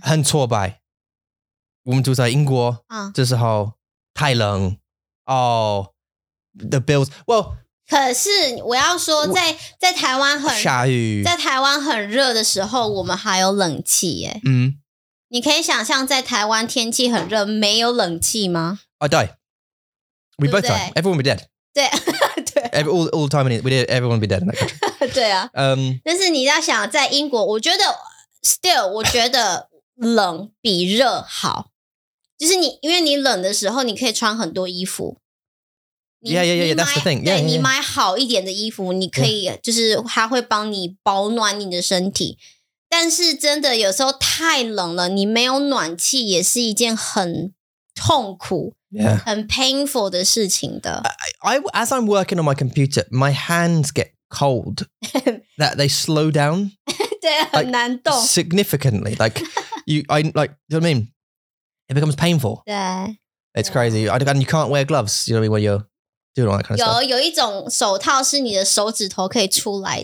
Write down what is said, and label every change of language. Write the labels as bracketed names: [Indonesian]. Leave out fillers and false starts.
[Chinese] 很挫败, 我们住在英国, 这时候, 太冷, [English] oh, the bills, well, [Chinese] 可是我要说, 在台湾很, 下雨, 在台湾很热的时候, 我们还有冷气, 你可以想象在台湾天气很热, 没有冷气吗? [English] I die. We both die. Everyone be dead. Yeah. All the time we need, everyone would be dead in that country. [Chinese] 对啊，但是你要想在英国，我觉得 still 我觉得冷比热好，就是你因为你冷的时候你可以穿很多衣服。 [English] Yeah, yeah, yeah, that's the thing. Yeah, [Chinese] 对 [English] yeah, yeah. [Chinese] 你买好一点的衣服你可以、yeah. 就是它会帮你保暖你的身体。但是真的有时候太冷了你没有暖气也是一件很痛苦、 [English] yeah. [Chinese] 很 painful 的事情的。 [English] As I'm working on my computer, my hands get cold. That they slow down. [Chinese] 对、like, 很难动。 [English] Significantly. Like, you, I, like, you know what I mean? It becomes painful. 对。 It's crazy. And you can't wear gloves, you know what I mean, when you're... Kind of [Chinese] 有一种手套是你的手指头可以出来的。